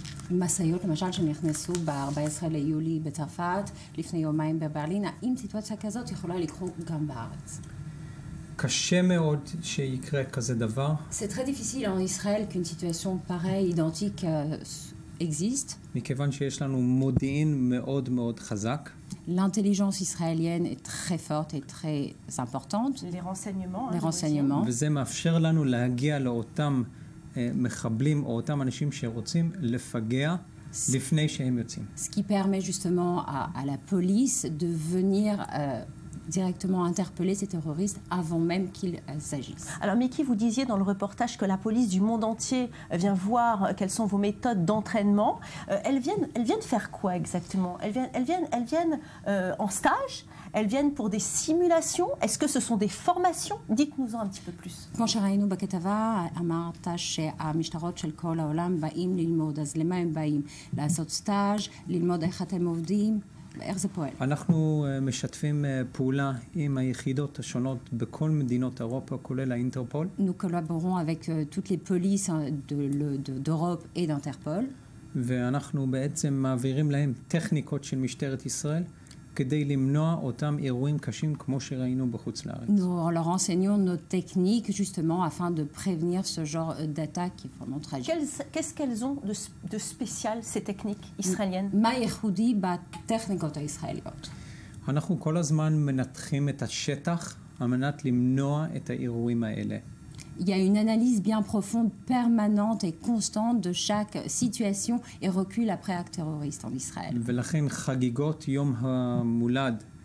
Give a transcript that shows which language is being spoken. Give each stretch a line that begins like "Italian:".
Hebrew: משאיות, למשל, שנכנסו ב-14 ליולי בצרפת, לפני יומיים בברלין, האם סיטואציה כזאת יכולה לקרות גם בארץ? קשה מאוד שיקרה כזה דבר.
French: C'est très difficile en Israël qu'une situation pareille, identique, existe.
Hebrew: מכיוון שיש לנו מודיעין מאוד מאוד חזק.
French: L'intelligence israélienne est très forte et très importante. Les renseignements. Les renseignements.
Hebrew: וזה מאפשר לנו להגיע לאותם... מחבלים או אותם אנשים שרוצים לפגע לפני שהם יוצאים.
French: Ce qui permet justement à la police de venir directement interpeller ces terroristes avant même qu'ils agissent. Alors Mickey, vous disiez dans le reportage que la police du monde entier vient voir quelles sont vos méthodes d'entraînement. Elles viennent faire quoi exactement? Elles viennent en stage? Elles viennent pour des simulations? Est-ce que ce sont des formations? Dites-nous-en un petit peu plus.
Hebrew: כמו שראינו בכתבה, אמרת שהמשטרות של כל העולם באים ללמוד, אז למה הם באים? לעשות סטאז', ללמוד איך אתם עובדים, איך זה פועל? אנחנו משתפים פעולה עם היחידות השונות בכל מדינות אירופה, כולל האינטרפול.
French: Nous collaborons avec toutes les polices d'Europe et d'Interpol.
Hebrew: ואנחנו בעצם מעבירים להם טכניקות של משטרת ישראל, כדי למנוע אותם אירועים קשים כמו שראינו בחוץ לארץ.
French: Nous leur enseignons nos techniques justement afin de prévenir ce genre d'attaque qui est vraiment tragique. Qu'est-ce qu'elles ont de spécial ces techniques israéliennes?
Hebrew: מה ייחודי בטכניקות הישראליות? אנחנו כל הזמן מנתחים את השטח על מנת למנוע את האירועים האלה.
French: Il y a une analyse bien profonde, permanente et constante de chaque situation et recul après acte terroriste en Israël.